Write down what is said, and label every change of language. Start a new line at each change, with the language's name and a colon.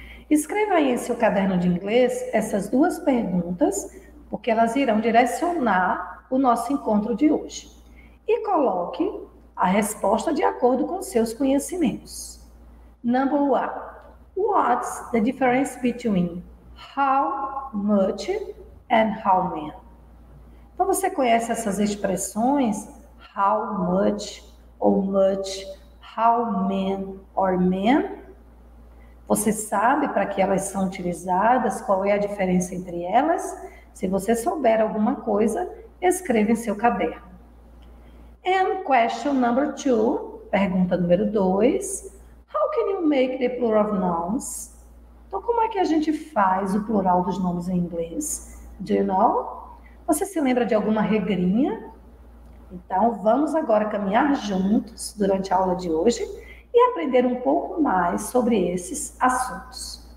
Portuguese: Escreva aí em seu caderno de inglês essas duas perguntas, porque elas irão direcionar o nosso encontro de hoje. E coloque a resposta de acordo com seus conhecimentos.
English: Number one, what's the difference between how much and how many?
Portuguese: Então você conhece essas expressões, how much ou much, how many or men? Você sabe para que elas são utilizadas, qual é a diferença entre elas? Se você souber alguma coisa, escreva em seu caderno.
English: And question number two,
Portuguese: pergunta número dois.
English: How can you make the plural of nouns?
Portuguese: Então, como é que a gente faz o plural dos nomes em inglês?
English: Do you know?
Portuguese: Você se lembra de alguma regrinha? Então, vamos agora caminhar juntos durante a aula de hoje e aprender um pouco mais sobre esses assuntos.